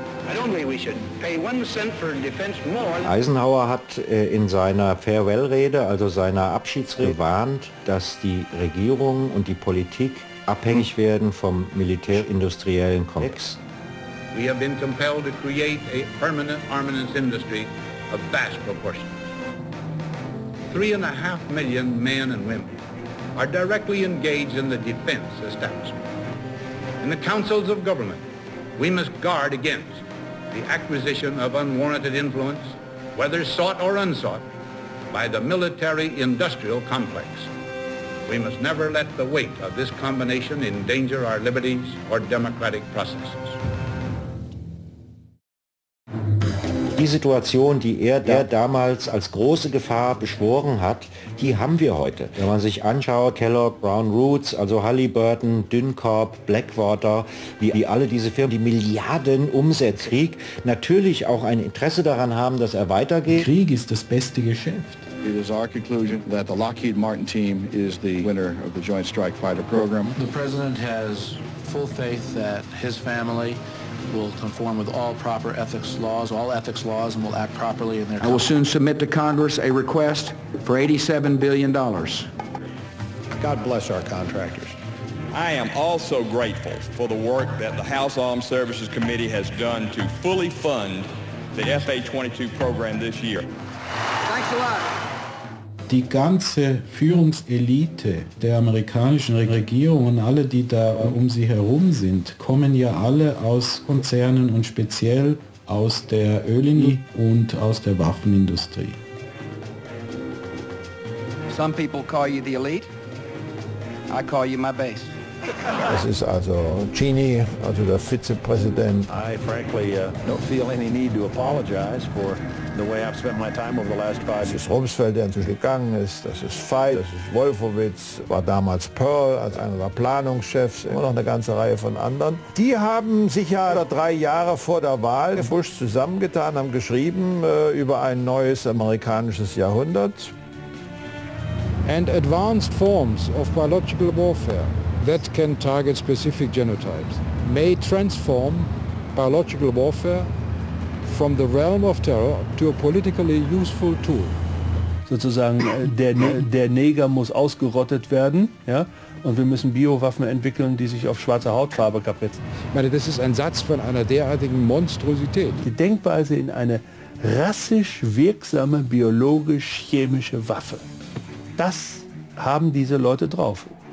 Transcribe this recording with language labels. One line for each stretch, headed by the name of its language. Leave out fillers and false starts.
English: I don't think we should pay 1 cent for defense more.
German: Eisenhower hat in seiner Farewell-Rede, also seiner Abschiedsrede, gewarnt, dass die Regierung und die Politik abhängig werden vom militärindustriellen Komplex.
English: We have been compelled to create a permanent armaments industry of vast proportions. 3.5 million men and women are directly engaged in the defense establishment. In the councils of government, we must guard against the acquisition of unwarranted influence, whether sought or unsought, by the military-industrial complex. We must never let the weight of this combination endanger our liberties or democratic processes.
German: Die Situation, die er damals als große Gefahr beschworen hat, die haben wir heute. Wenn man sich anschaut, Kellogg, Brown Roots, also Halliburton, Dyncorp, Blackwater, wie alle diese Firmen, die Milliarden Umsatz, Krieg, natürlich auch ein Interesse daran haben, dass er weitergeht. Krieg ist das beste Geschäft.
English: It is our conclusion that the Lockheed Martin team is the winner of the Joint Strike Fighter program. The president has full faith that his family will conform with all proper ethics laws, all ethics laws, and will act properly in their... I will soon submit to Congress a request for $87 billion. God bless our contractors. I am also grateful for the work that the House Armed Services Committee has done to fully fund the FA-22 program this year. Thanks a lot.
German: Die ganze Führungselite der amerikanischen Regierung und alle, die da um sie herum sind, kommen ja alle aus Konzernen und speziell aus der Ölindustrie und aus der Waffenindustrie.
English: Some people call you the elite. I call you my base.
German: Das ist also Cheney, also der Vizepräsident.
English: I frankly don't feel any need to apologize for the way I've spent my time over the last five years.
German: Das ist Rumsfeld, der inzwischen gegangen ist. Das ist Veit, das ist Wolfowitz, war damals Pearl als einer der Planungschefs und noch eine ganze Reihe von anderen. Die haben sich ja drei Jahre vor der Wahl Bush zusammengetan, haben geschrieben über ein neues amerikanisches Jahrhundert.
English: And advanced forms of biological warfare that can target specific genotypes may transform biological warfare from the realm of terror to a politically useful tool.
German: Sozusagen der Neger muss ausgerottet werden, ja, und wir müssen Biowaffen entwickeln, die sich auf schwarze Hautfarbe kapriziert. Ich meine, das ist ein Satz von einer derartigen Monstrosität. Die Denkweise in eine rassisch wirksame biologisch-chemische Waffe, das haben diese Leute drauf.